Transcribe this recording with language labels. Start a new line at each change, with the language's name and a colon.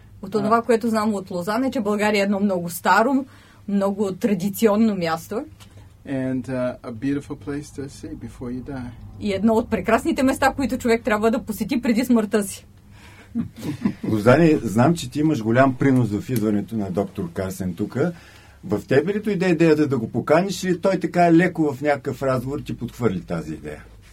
Bulgarian: От това, което знам от Лозан, е, че България е едно много старо, много традиционно място.
English: And a beautiful place to see before you die.
Bulgarian: И едно от прекрасните места, които човек трябва да посети преди смъртта си. Лозани, знам, че ти имаш голям принос в идването на доктор Карсън тука. В тебе ли дойде идеята да го поканиш или той така леко в някакъв разговор ти подхвърли тази идея?